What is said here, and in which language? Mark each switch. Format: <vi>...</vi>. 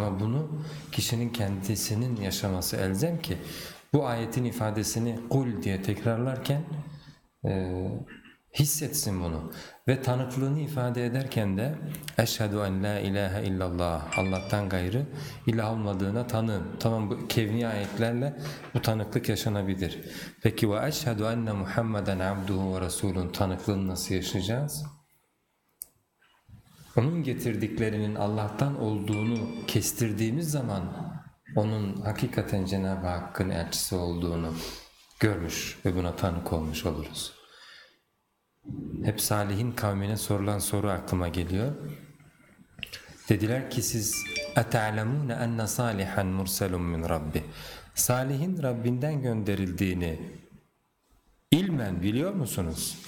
<tr>Ama bunu kişinin kendisinin yaşaması elzem ki bu ayetin ifadesini kul diye tekrarlarken hissetsin bunu. Ve tanıklığını ifade ederken de</tr> <ar>اَشْهَدُ اَنْ لَا اِلَٰهَ اِلَّا اللّٰهِ</ar> <tr>Allah'tan gayrı ilah olmadığına tanın. Tamam, bu kevni ayetlerle bu tanıklık yaşanabilir. Peki</tr> <ar>وَاَشْهَدُ اَنَّ مُحَمَّدًا عَبْدُهُ وَرَسُولُونَ</ar> <tr>Tanıklığını nasıl yaşayacağız? Onun getirdiklerinin Allah'tan olduğunu kestirdiğimiz zaman onun hakikaten Cenab-ı Hakk'ın elçisi olduğunu görmüş ve buna tanık olmuş oluruz. Hep Salih'in kavmine sorulan soru aklıma geliyor. Dediler ki siz</tr> <ar>اَتَعْلَمُونَ اَنَّ صَالِحًا مُرْسَلٌ مِّنْ رَبِّ</ar> <tr>Salih'in Rabbinden gönderildiğini ilmen biliyor musunuz?</tr>